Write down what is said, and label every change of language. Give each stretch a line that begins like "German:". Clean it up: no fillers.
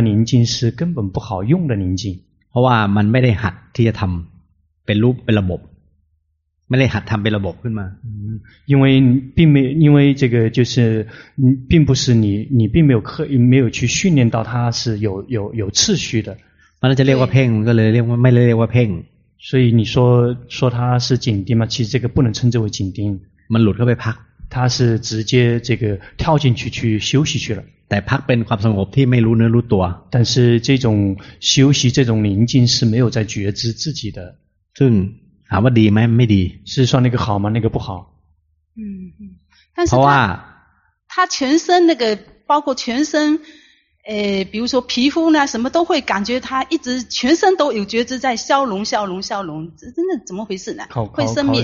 Chinese: 宁静是根本不好用的宁静。
Thai: เพราะว่ามันไม่ได้หัดที่จะทำเป็นรูปเป็นระบบไม่ได้หัดทำเป็นระบบขึ้นมา
Chinese: 因为并没因为这个就是并不是你并没有刻意没有去训练到它是有次序的
Thai: มันจะเรียกว่าเพ่งก็เลยเรียกว่าไม่เรียกว่าเพ่ง
Chinese: 所以你说它是紧盯吗其实这个不能称之为紧盯
Thai: มันหลุดเข้าไปพัก
Chinese: 它是直接这个跳进去去休息去了
Thai: แต่พักเป็นความสงบที่ไม่รู้เนื้อรู้ตัว
Chinese: 但是这种休息这种宁静是没有在觉知自己的
Thai: ซึ่งถามว่าดีไหมไม่ดี
Chinese: 是算那个好吗那个不好但是他全身那个包括全身比如说皮肤呢什么都会感觉他一直全身都有觉知在消融消融消融这真的怎么回事呢会生灭